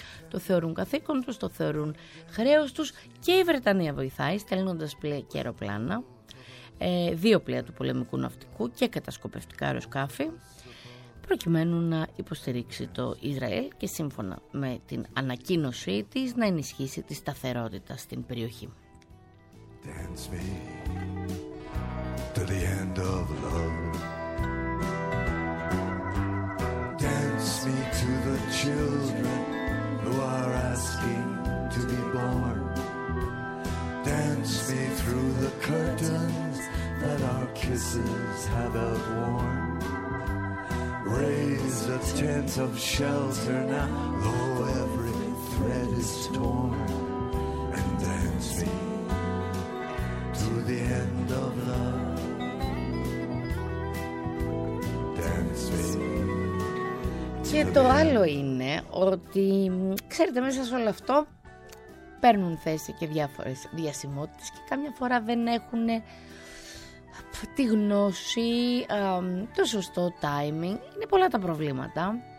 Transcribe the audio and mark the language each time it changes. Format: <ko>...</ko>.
<el>Το θεωρούν καθήκον τους, το θεωρούν χρέος τους και η Βρετανία βοηθάει στέλνοντας πλοία και αεροπλάνα, δύο πλοία του πολεμικού ναυτικού και κατασκοπευτικά αεροσκάφη, προκειμένου να υποστηρίξει το Ισραήλ και σύμφωνα με την ανακοίνωσή της να ενισχύσει τη σταθερότητα στην περιοχή.</el> <en>Dance me to the end of love. Dance me to the children who are asking to be born. Dance me through the curtains that our kisses have outworn. Raise a tent of shelter now, though every thread is torn. And dance me to the end of love. Dance me.</en> <el>Και το άλλο είναι ότι, ξέρετε, μέσα σε όλο αυτό παίρνουν θέση και διάφορες διασημότητες και καμιά φορά δεν έχουν τη γνώση, το σωστό timing, είναι πολλά τα προβλήματα.</el>